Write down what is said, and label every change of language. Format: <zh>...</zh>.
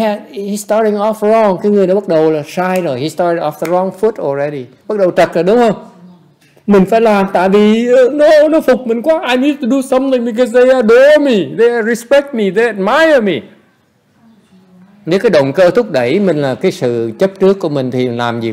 <en>He's starting off wrong.</en> <vi>Cái người đó bắt đầu là sai rồi.</vi> <en>He started off the wrong foot already.</en> <vi>Bắt đầu trật rồi đúng không? Mình phải làm tại vì nó phục mình quá.</vi> <en>I need to do something because they adore me. They respect me. They admire me.</en> <vi>Nếu cái động cơ thúc đẩy mình là cái sự chấp trước của mình thì làm gì?</vi>